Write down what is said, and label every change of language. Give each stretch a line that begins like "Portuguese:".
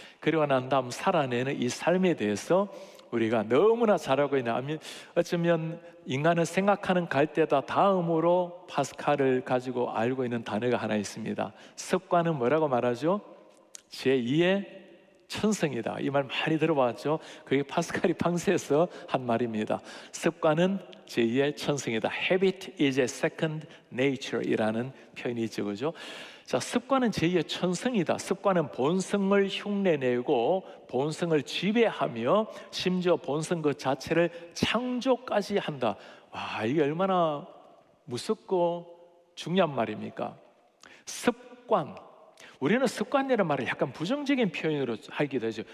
Korean: 그리고 난 다음 살아내는 이 삶에 대해서 우리가 너무나 잘하고 있는, 어쩌면 인간은 생각하는 갈대다 다음으로 파스칼을 가지고 알고 있는 단어가 하나 있습니다. 습관은 뭐라고 말하죠? 제2의 천성이다. 이 말 많이 들어봤죠? 그게 파스칼이 방세해서 한 말입니다. 습관은 제2의 천성이다.
English: Habit is a second nature
Korean: 이라는 표현이 있죠, 그죠? 자, 습관은 제2의 천성이다. 습관은 본성을 흉내내고 본성을 지배하며 심지어 본성 그 자체를 창조까지 한다. 와, 이게 얼마나 무섭고 중요한 말입니까? 습관, 우리는 습관이라는 말을 약간 부정적인 표현으로 하기도 하죠.